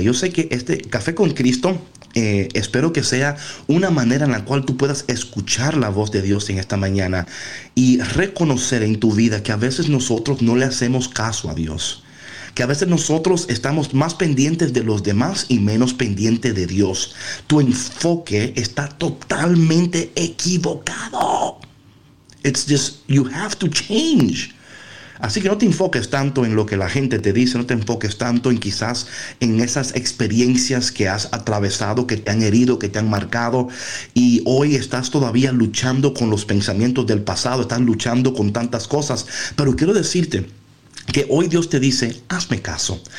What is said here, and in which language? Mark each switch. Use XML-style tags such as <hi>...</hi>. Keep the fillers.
<es>Yo sé que este café con Cristo... eh, espero que sea una manera en la cual tú puedas escuchar la voz de Dios en esta mañana y reconocer en tu vida que a veces nosotros no le hacemos caso a Dios que a veces nosotros estamos más pendientes de los demás y menos pendientes de Dios. Tu enfoque está totalmente equivocado.</es> <en>It's just, you have to change.</en> <es>Así que no te enfoques tanto en lo que la gente te dice, no te enfoques tanto en quizás en esas experiencias que has atravesado, que te han herido, que te han marcado y hoy estás todavía luchando con los pensamientos del pasado, estás luchando con tantas cosas. Pero quiero decirte, que hoy Dios te dice, hazme caso.</es>